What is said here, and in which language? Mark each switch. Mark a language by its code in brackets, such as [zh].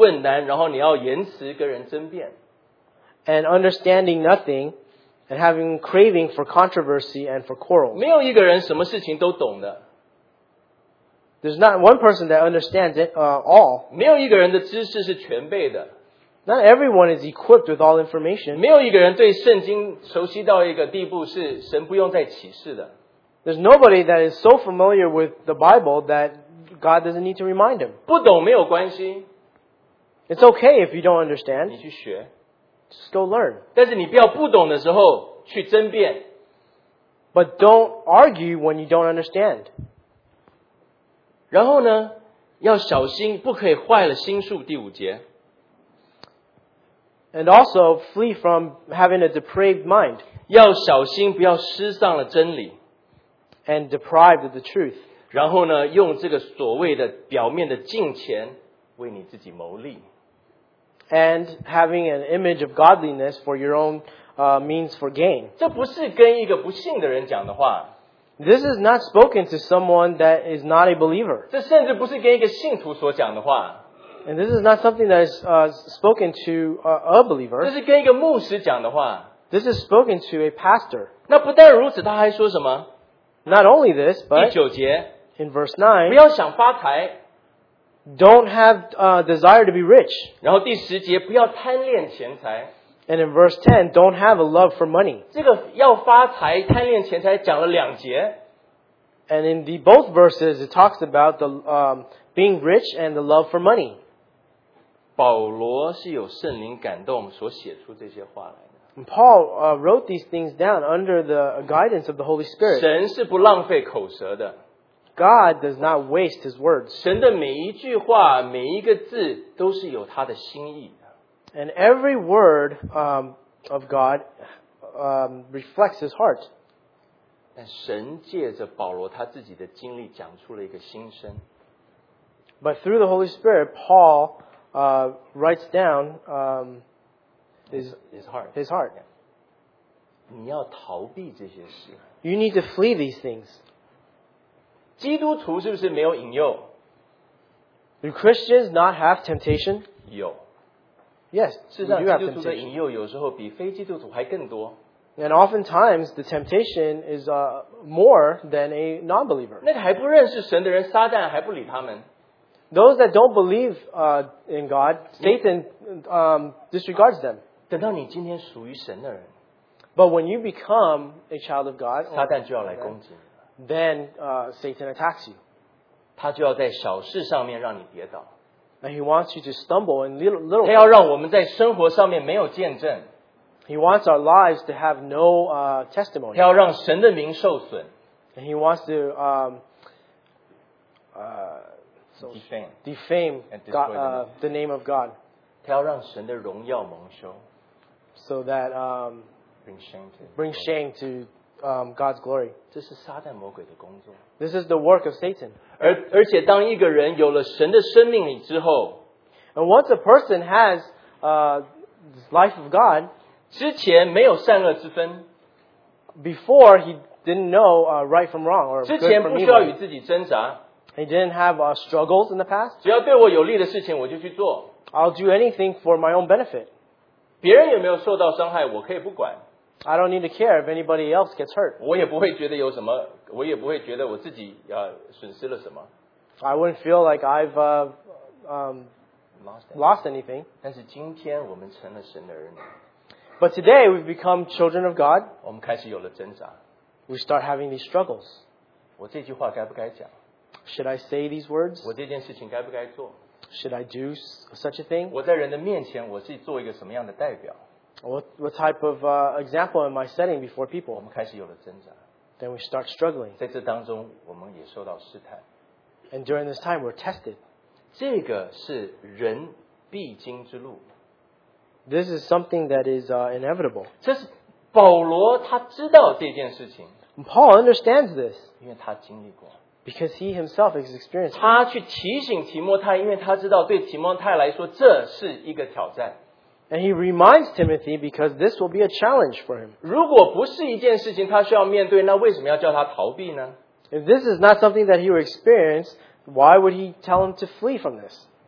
[zh] 你自己没有知识，但是你专好问难，然后你要言辞跟人争辩。 [en] And understanding nothing and having craving for controversy and for quarrels. [zh] 没有一个人什么事情都懂的。 [en] There's not one person that understands it all. [zh] 没有一个人的知识是全备的。 [en] Not everyone is equipped with all information. [zh] 没有一个人对圣经熟悉到一个地步是神不用再启示的。 [en] There's nobody that is so familiar with the Bible that God doesn't need to remind him. [zh] 不懂没有关系。 [en] It's okay if you don't understand. [zh] 你去学。 [en] Just go learn. [zh] 但是你不要不懂的时候去争辩。 [en] But don't argue when you don't understand. [zh] 然后呢，要小心，不可以坏了心术。第五节。 [en] And also flee from having a depraved mind. [zh] 要小心，不要失丧了真理。 [en] And deprived of the truth. [zh] 然后呢，用这个所谓的表面的金钱为你自己谋利。 [en] And having an image of godliness for your own means for gain. [zh] 这不是跟一个不信的人讲的话。 [en] This is not spoken to someone that is not a believer. [zh] 这甚至不是跟一个信徒所讲的话。 [en] And this is not something that is spoken to a believer. [zh] 这是跟一个牧师讲的话。 [en] This is spoken to a pastor. [zh] 那不但如此，他还说什么？ [en] Not only this, but [zh] 第九节 [en] in verse 9, [zh] 不要想发财。 [en] Don't have desire to be rich. [zh] 然后第十节，不要贪恋钱财。 [en] And in verse 10, don't have a love for money. [zh] 这个要发财，贪恋钱财，讲了两节。 [en] And in the both verses, it talks about the being rich and the love for money. [zh] 保罗是有圣灵感动所写出这些话来的。 [en] And Paul wrote these things down under the guidance of the Holy Spirit. [zh] 神是不浪费口舌的。 [en] God does not waste his words. [zh] 神的每一句话，每一个字都是有他的心意的。 [en] And every word of God reflects his heart. [zh] 但神借着保罗他自己的经历讲出了一个心声。 [en] But through the Holy Spirit, Paul writes down his heart. [zh] 你要逃避这些事。 [en] You need to flee these things. [zh] 基督徒是不是没有引诱？ [en] Do Christians not have temptation? [zh] 有。 [en] Yes, [zh] 事实上，基督徒的引诱有时候比非基督徒还更多。 [en] And oftentimes, the temptation is more than a non-believer. [zh] 那个还不认识神的人，撒旦还不理他们。 [en] Those that don't believe in God, Satan disregards them. [zh] 等到你今天属于神的人。 [en] But when you become a child of God, [zh] 撒旦就要来攻击。 [en] Then Satan attacks you. [zh] 他就要在小事上面让你跌倒。 [en] And he wants you to stumble in little. [zh] 他要让我们在生活上面没有见证。 [en] He wants our lives to have no testimony. [zh] 他要让神的名受损。 [en] And he wants to defame God, the name of God. [zh] 他要让神的荣耀蒙羞。 [en] So that bring shame to. God's glory. [zh] 这是撒旦魔鬼的工作。 [en] This is the work of Satan. [zh] 而且当一个人有了神的生命里之后， [en] And once a person has life of God, [zh] 之前没有善恶之分， [en] before he didn't know right from wrong, or [zh] 之前不需要与自己挣扎， [en] he didn't have struggles in the past. [zh] 只要对我有利的事情我就去做， [en] I'll do anything for my own benefit. [zh] 别人有没有受到伤害我可以不管。 [en] I don't need to care if anybody else gets hurt. [zh] 我也不会觉得有什么，我也不会觉得我自己损失了什么。 [en] I wouldn't feel like I've lost anything. [zh] 但是今天我们成了神的儿女。 [en] But today we've become children of God. [zh] 我们开始有了挣扎。 [en] We start having these struggles. [zh] 我这句话该不该讲？ [en] Should I say these words? [zh] 我这件事情该不该做？ [en] Should I do such a thing? [zh] 我在人的面前我是做一个什么样的代表？ [en] What type of example am I setting before people? [zh] 我们开始有了挣扎。 [en] Then we start struggling. [zh] 在这当中，我们也受到试探。 [en] And during this time, we're tested. [zh] 这个是人必经之路。 [en] This is something that is inevitable. [zh] 这是保罗他知道这件事情。 [en] Paul understands this. [zh] 因为他经历过。 [en] Because he himself has experienced. [zh] 他去提醒提摩太，因为他知道对提摩太来说这是一个挑战。 [en] And he reminds Timothy because this will be a challenge for him. [zh] 如果不是一件事情他需要面对，那为什么要叫他逃避呢？ [en] If this is not something that he will experience, why would he tell him to flee from this?